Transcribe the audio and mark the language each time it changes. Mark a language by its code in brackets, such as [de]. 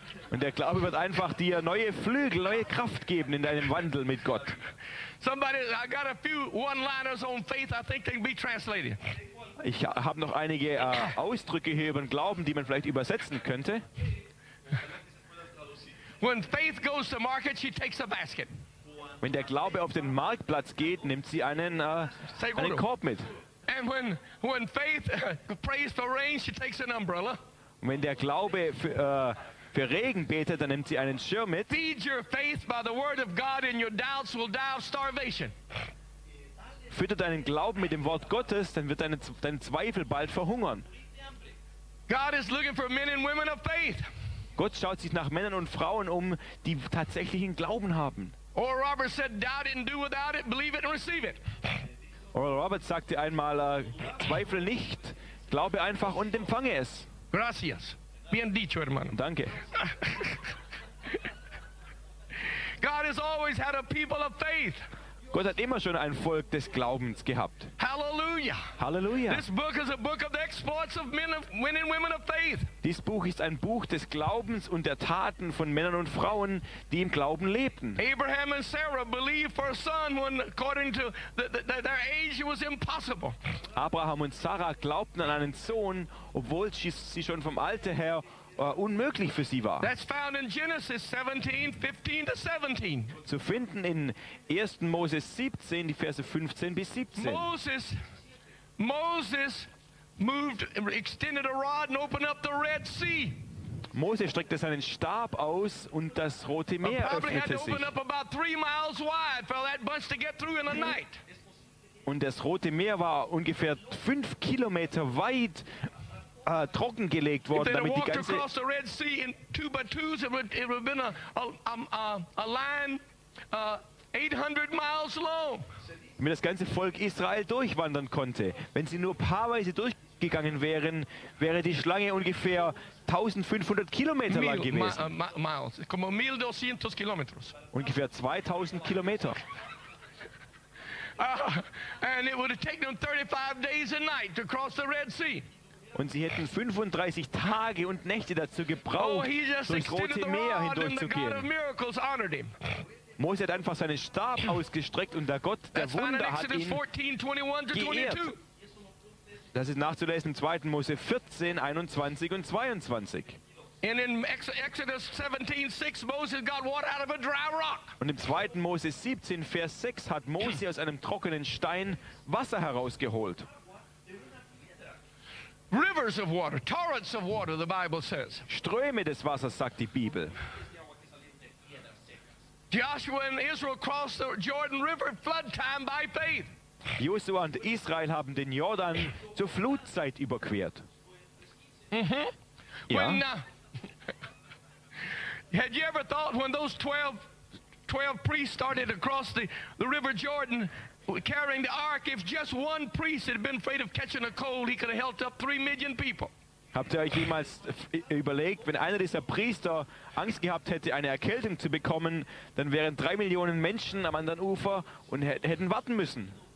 [de] Und der Glaube wird einfach dir neue Flügel, neue Kraft geben in deinem Wandel mit Gott. [en] Somebody, I got a few one-liners on faith. I think they can be translated. [de] Ich habe noch einige Ausdrücke hier über den Glauben, die man vielleicht übersetzen könnte. [en] When faith goes to market, she takes a basket. [de] Wenn der Glaube auf den Marktplatz geht, nimmt sie einen Korb mit. [en] And when faith prays for rain, she takes an umbrella. [de] Wenn der Glaube für Regen betet, dann nimmt sie einen Schirm mit. [en] Feed your faith by the word of God, and your doubts will die of starvation. [de] Fütter deinen Glauben mit dem Wort Gottes, dann wird dein Zweifel bald verhungern. [en] God is looking for men and women of faith. [de] Gott schaut sich nach Männern und Frauen um, die tatsächlichen Glauben haben. [en] Oral Roberts said, doubt it and do without it, believe it and receive it. [de] Oral Roberts sagte einmal, zweifle nicht, glaube einfach und empfange es. [es] Gracias. Bien dicho, hermano. [de] Danke. [en] God has always had a people of faith. [de] Gott hat immer schon ein Volk des Glaubens gehabt. Halleluja. Halleluja. [en] This book is a book of the exploits of men of men and women of faith. [de] Dies Buch ist ein Buch des Glaubens und der Taten von Männern und Frauen, die im Glauben lebten. [en] Abraham and Sarah believed for a son when according to their age it was impossible. [de] Abraham und Sarah glaubten an einen Sohn, obwohl sie schon vom Alter her unmöglich für sie war. [en] That's found in Genesis 17, 15 to 17. [de] Zu finden in 1. Mose 17, die Verse 15 bis 17. [en] Moses moved, extended a rod and opened up the Red Sea. [de] Mose streckte seinen Stab aus und das Rote Meer öffnete sich. [en] Open up about 3 miles wide for that bunch to get through in the night. [de] Und das Rote Meer war ungefähr 5 Kilometer weit trockengelegt worden, damit die ganze [en] across the Red Sea in two by twos, it would have been a line 800 miles long. [de] Damit das ganze Volk Israel durchwandern konnte. Wenn sie nur paarweise durchgegangen wären, wäre die Schlange ungefähr 1500 Kilometer lang gewesen. [es] Miles, como 1200 kilómetros. [de] Ungefähr 2000 Kilometer. [en] And it would have taken them 35 days a night to cross the Red Sea. [de] Und sie hätten 35 Tage und Nächte dazu gebraucht, durchs Rote Meer hindurchzugehen. Mose hat einfach seinen Stab ausgestreckt und der Gott der Wunder hat ihn geehrt. Das ist nachzulesen im 2. Mose 14, 21 und 22. [en] And in Exodus 17:6, Moses got water out of a dry rock. [de] Und im 2. Mose 17, Vers 6 hat Mose aus einem trockenen Stein Wasser herausgeholt. [en] Rivers of water, torrents of water, the Bible says. [de] Ströme des Wassers, sagt die Bibel. [en] Joshua and Israel crossed the Jordan River flood time by faith. [de] Joshua und Israel haben den Jordan zur Flutzeit überquert. Mm-hmm. Ja. [en] Had you ever thought when those 12 priests started across the River Jordan, carrying the ark, if just one priest had been afraid of catching a cold, he could have helped up 3 million people. [de] Habt ihr euch jemals überlegt, wenn einer dieser Priester Angst gehabt hätte, eine Erkältung zu bekommen, dann wären 3 Millionen Menschen am anderen Ufer und hätten warten müssen.